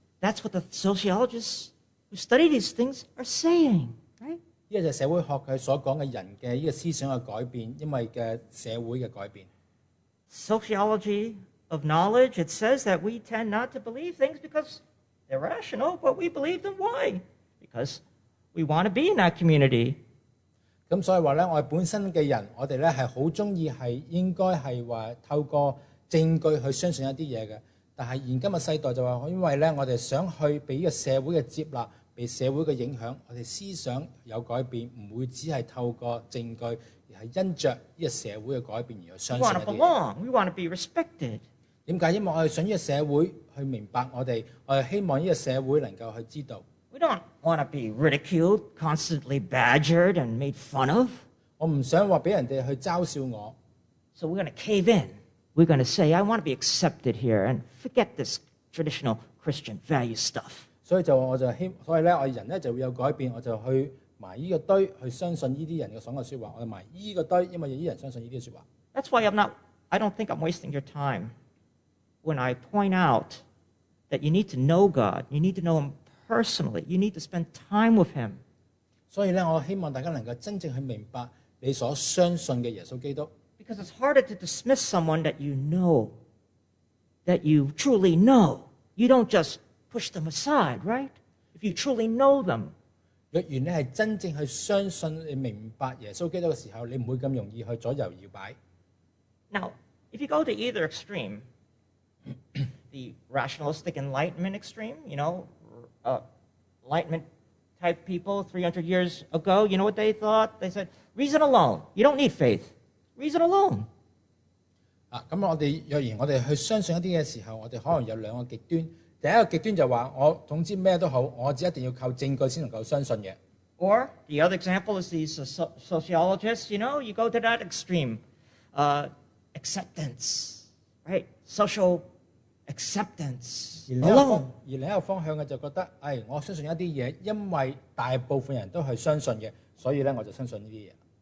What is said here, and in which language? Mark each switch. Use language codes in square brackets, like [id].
[en] That's what the sociologists who study these things are saying, right? [yue] 依個就係社會學佢所講嘅人嘅依個思想嘅改變，因為嘅社會嘅改變。 [en] Sociology of knowledge, it says that we tend not to believe things because they're rational, but we believe them. Why? Because we want to be in that community. [yue] 咁所以話咧，我哋本身嘅人，我哋咧係好中意係應該係話透過證據去相信一啲嘢嘅。但係現今嘅世代就話，因為咧我哋想去俾個社會嘅接納，被社會嘅影響，我哋思想有改變，唔會只係透過證據，而係因著呢個社會嘅改變而去相信一啲。 [en] We want to belong. We want to be respected. [yue] 點解？因為我哋想呢個社會去明白我哋，我哋希望呢個社會能夠去知道。 [en] We don't want to be ridiculed, constantly badgered, and made fun of. [yue] 我唔想话俾人哋去嘲笑我。 [en] So we're going to cave in. We're going to say, I want to be accepted here and forget this traditional Christian value stuff. [yue] 所以咧，我人咧就会有改变，我就去埋依个堆，去相信依啲人嘅所讲说话。我埋依个堆，因为依啲人相信依啲说话。 [en] That's why I don't think I'm wasting your time when I point out that you need to know God. You need to know Him. Personally, you need to spend time with him. So, I want to know you to really understand your Jesus Christ. Because it's harder to dismiss someone that you know, that you truly know. You don't just push them aside, right? If you truly know them. If you really believe and understand Jesus Christ, you won't be so easy to push aside. Now, if you go to either extreme, the rationalistic enlightenment extreme, you know,Enlightenment type people 300 years ago, you know what they thought? They said, reason alone. You don't need faith. Reason alone. [yue] 咁我哋若然我哋去相信一啲嘅时候，我哋可能有两个极端。第一个极端就话，我总之咩都好，我只一定要靠证据先能够相信嘅。 [en] Or the other example is these sociologists. You know, you go to that extreme, acceptance, right? Social acceptance. [yue] 而另一個方向就覺得，我相信一啲嘢，因為大部分人都係相信嘅，所以咧我就相信呢啲嘢。